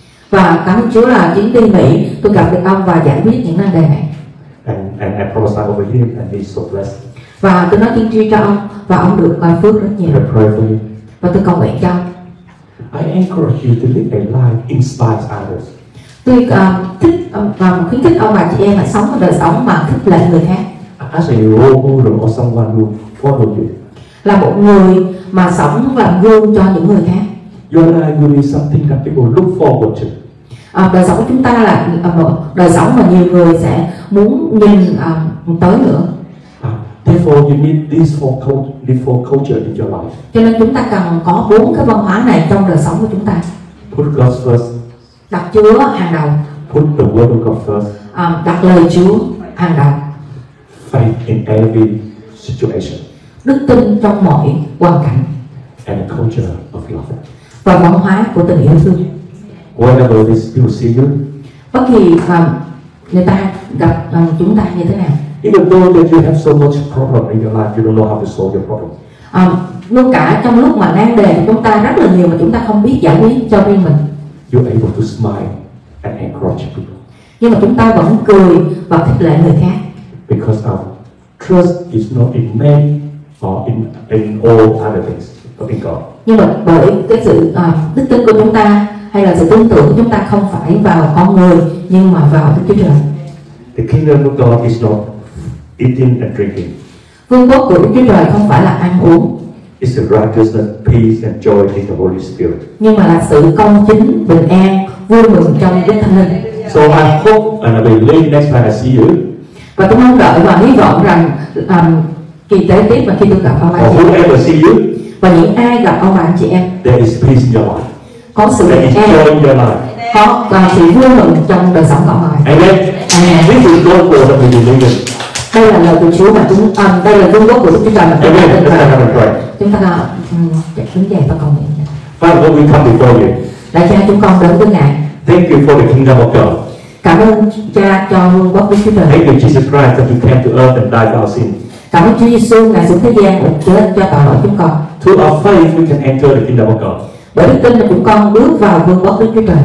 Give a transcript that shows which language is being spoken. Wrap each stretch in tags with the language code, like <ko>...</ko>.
<vi>Và cảm ơn Chúa là chuyến đi Mỹ, tôi gặp được ông và giải quyết những vấn đề này.</vi> <en>And I prophesied over him and he's so blessed.</en> <vi>Và tôi nói tiên tri cho ông và ông được phước rất nhiều.</vi> <en>I pray for you.</en> <vi>Và tôi cầu nguyện cho ông.</vi> <en>I encourage you to live a life inspires others.</en> <vi>Tôi khuyến khích ông bà chị em là sống một đời sống mà khích lệ người khác.</vi> <en>As a role model or someone who follows you.</en> <vi>Là một người mà sống làm gương cho những người khác.</vi> <en>Your life will be something that people look forward to.</en> <vi>Đời sống của chúng ta là một đời sống mà nhiều người sẽ muốn nhìn tới nữa.</vi> <en>Therefore, you need these four culture in your life.</en> <vi>Cho nên chúng ta cần có bốn cái văn hóa này trong đời sống của chúng ta.</vi> <en>Put God first.</en> <vi>Đặt Chúa hàng đầu.</vi> <en>Put the word of God first.</en> <vi>Đặt lời Chúa hàng đầu.</vi> <en>Faith in every situation.</en> <vi>Đức tin trong mọi hoàn cảnh.</vi> <en>And a culture of love.</en> <vi>Và văn hóa của tình yêu thương.</vi> <en>Whatever these people see you.</en> <vi>Bất kỳ người ta gặp chúng ta như thế nào.</vi> <en>Even though that you have so much problem in your life, you don't know how to solve your problem.</en> <vi>Luôn cả trong lúc mà nan đề chúng ta rất là nhiều mà chúng ta không biết giải quyết cho riêng mình.</vi> <en>You're able to smile and encourage people.</en> <vi>Nhưng mà chúng ta vẫn cười và khích lệ người khác.</vi> <en>Because our trust is not in men or in all other things, but in God.</en> <vi>Nhưng mà bởi cái sự đức tin của chúng ta hay là sự tin tưởng của chúng ta không phải vào con người nhưng mà vào Đức Chúa Trời.</vi> <en>The kingdom of God is not eating and drinking.</en> <vi>Vương quốc của Đức Chúa Trời không phải là ăn uống.</vi> <en>It's the righteousness, peace and joy in the Holy Spirit.</en> <vi>Nhưng mà là sự công chính, bình an, vui mừng trong Đức Thánh Linh.</vi> <en>So I hope and I believe next time I see you.</en> <vi>Và tôi mong đợi và hy vọng rằng kỳ tế tiếp mà khi tôi gặp ông bà chị em và những ai gặp ông bà chị em,</vi> <en>there is peace in your life.</en> <vi>Có sự bình an,</vi> <en>joy in your life.</en> <vi>Có sự vui mừng trong đời sống của mọi người. Amen. Đây là lời của Chúa mà chúng đây là vương quốc của Đức Chúa Trời mà chúng ta cần phải chúng ta đứng dậy và cầu nguyện.</vi> <en>Father, Lord, we come before you.</en> <vi>Lạy Cha, chúng con đến với Ngài.</vi> <en>Thank you for the kingdom of God.</en> <vi>Cảm ơn Cha cho vương quốc Đức Chúa Trời.</vi> <en>Thank you, Jesus Christ, that you came to earth and died for our sin.</en> <vi>Cảm ơn Chúa Giêsu Ngài xuống thế gian để chết cho tội lỗi chúng con.</vi> <en>Through our faith, we can enter the kingdom of God.</en> <vi>Bởi đức tin là chúng con bước vào vương quốc Đức Chúa Trời.</vi>